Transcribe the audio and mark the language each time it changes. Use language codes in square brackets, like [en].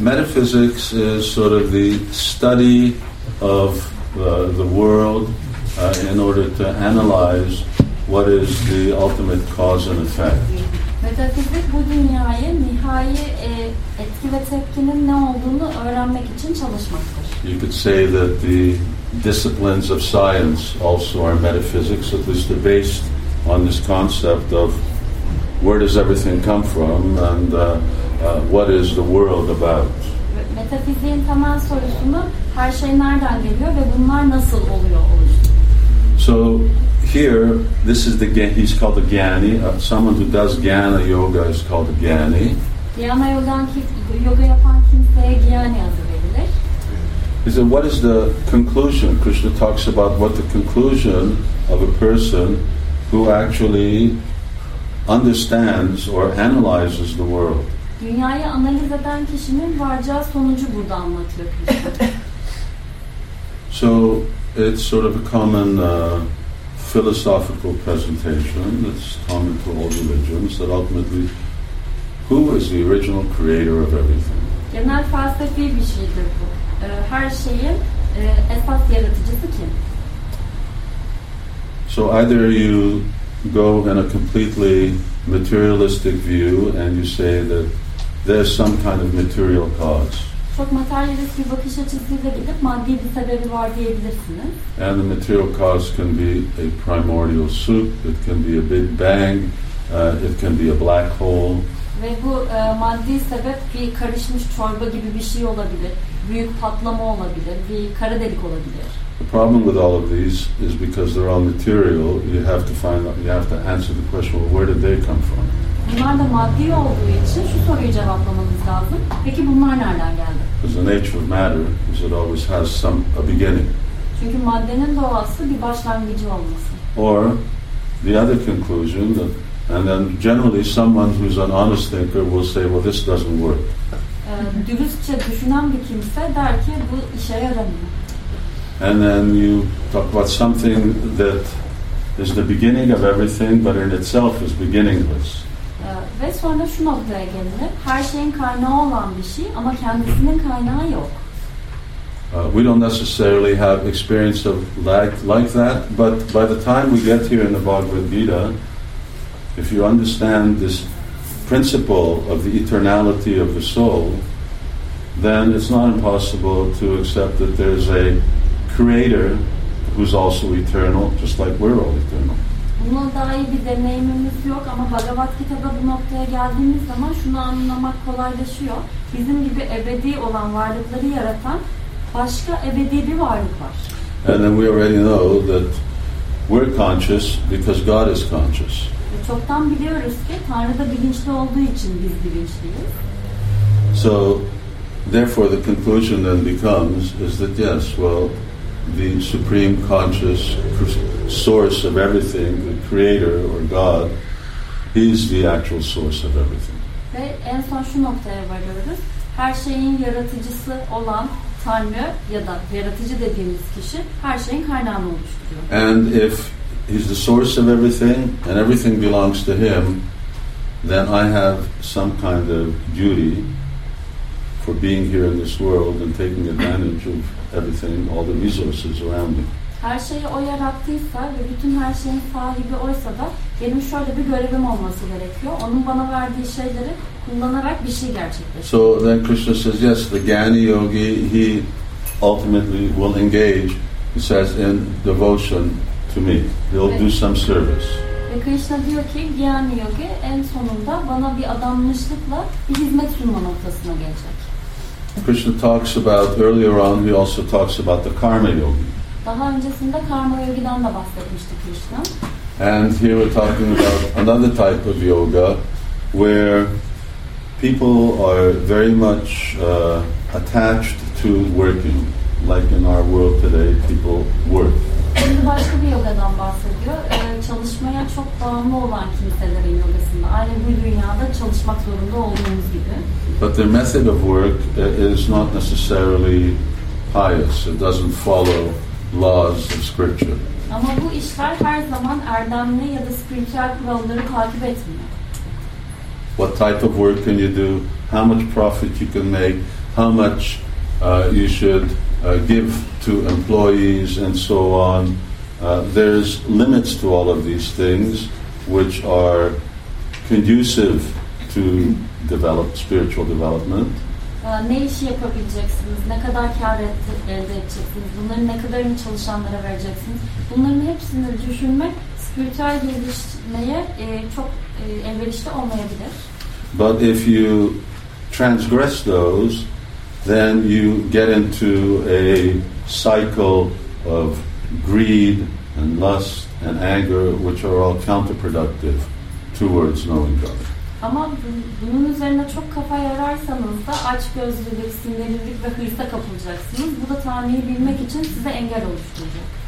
[en] Metaphysics is sort of the study of the world in order to analyze what is the ultimate cause and effect. [tr] Metafizik bu dünyayı nihai etki ve tepkinin ne olduğunu öğrenmek için çalışmaktır. [en] You could say that the disciplines of science also are metaphysics, at least they're based on this concept of where does everything come from and what is the world about. [tr] Metafiziğin temel sorusunu her şey nereden geliyor ve bunlar nasıl oluyor [en] So here, this is the he's called the Gyani. Someone who does Gyana Yoga is called a Gyani. [tr] Gyana Yoga yapan kimseye Gyani adı verilir. [en] He said, what is the conclusion? Krishna talks about what the conclusion of a person who actually understands or analyzes the world. [tr] Dünyayı analiz eden kişinin varacağı sonucu burada anlatıyor [en] Krishna. So it's sort of a common philosophical presentation that's common to all religions that ultimately who is the original creator of everything? [tr] Genel felsefi bir şeydir bu. Her şeyin esas yaratıcısı kim? [en] So either you go in a completely materialistic view and you say that there's some kind of material cause. [tr] Çok materyalist bir bakış açısıyla gidip maddi bir sebebi var diyebilirsiniz. [en] And the material cause can be a primordial soup, it can be a big bang, it can be a black hole. [tr] Ve bu maddi sebep bir karışmış çorba gibi bir şey olabilir, büyük patlama olabilir, bir kara delik olabilir. [en] The problem with all of these is because they're all material, you have to answer the question, well, where did they come from? [tr] Bunlar da maddi olduğu için şu soruyu cevaplamamız lazım. Peki bunlar nereden geldi? [en] Because the nature of matter is it always has some a beginning. [tr] Çünkü maddenin doğası bir başlangıcı olması. [en] Or the other conclusion that, and then generally someone who's an honest thinker will say, well, this doesn't work. [tr] Dürüstçe düşünen bir kimse der ki bu işe yaramıyor. [en] And then you talk about something that is the beginning of everything, but in itself is beginningless. [tr] Ve sonra şu noktaya gelinir. Her şeyin kaynağı olan bir şey ama kendisinin kaynağı yok. [en] We don't necessarily have experience of like that, but by the time we get here in the Bhagavad Gita, if you understand this principle of the eternality of the soul, then it's not impossible to accept that there's a creator who's also eternal, just like we're all eternal. [tr] Buna dair bir deneyimimiz yok ama Bhagavad Gita'da bu noktaya geldiğimiz zaman şunu anlamak kolaylaşıyor. Bizim gibi ebedi olan varlıkları yaratan başka ebedi bir varlık var. [en] And then we already know that we're conscious because God is conscious. [tr] Çoktan biliyoruz ki Tanrı da bilinçli olduğu için biz bilinçliyiz. [en] So therefore the conclusion then becomes is that yes, well, the supreme conscious source of everything, the creator or God, is the actual source of everything. [tr] Ve en son şu noktaya varıyoruz. Her şeyin yaratıcısı olan Tanrı ya da yaratıcı dediğimiz kişi her şeyin kaynağını oluşturuyor. [en] And if he's the source of everything and everything belongs to him, then I have some kind of duty for being here in this world and taking advantage of everything, all the resources around me. [tr] Her şeyi o yarattıysa ve bütün her şeyin sahibi oysa da benim şöyle bir görevim olması gerekiyor. Onun bana verdiği şeyleri kullanarak bir şey gerçekleştirmek. [en] So then Krishna says, yes, the Gyani Yogi, he ultimately will engage, he says, in devotion to me. He'll do some service. [tr] Ve Krishna diyor ki, Gyani Yogi en sonunda bana bir adanmışlıkla bir hizmet sunma noktasına gelecek. [en] Krishna talks about, earlier on, he also talks about the Karma Yogi. [tr] Daha öncesinde Karma Yogi'den de bahsetmişti Krishna. [en] And here we're talking about another type of yoga where people are very much attached to working. Like in our world today, people work. [tr] Şimdi başka bir yogadan bahsediyor. Çalışmaya çok bağımlı olan kimselerin yogasında. Aynı bu dünyada çalışmak zorunda olduğumuz gibi. [en] But their method of work is not necessarily pious. It doesn't follow laws of scripture. [tr] Ama bu işler her zaman erdemli ya da spiritual kuralları takip etmiyor. [en] What type of work can you do? How much profit you can make? How much you should give to employees and so on. There's limits to all of these things which are conducive to develop spiritual development. [tr] Ne iş yapabileceksiniz? Ne kadar kâr elde edeceksiniz? Bunların ne kadarını çalışanlara vereceksiniz? Bunların hepsini düşünmek spiritüel gelişmeye çok elverişli olmayabilir. [en] But if you transgress those, then you get into a cycle of greed and lust and anger, which are all counterproductive towards knowing God. [tr] Ama bunun üzerine çok kafa yararsanız da açgözlülük, sinirlilik ve hırsa kapılacaksınız. Bu da Tanrı'yı bilmek için size engel oluşturacak.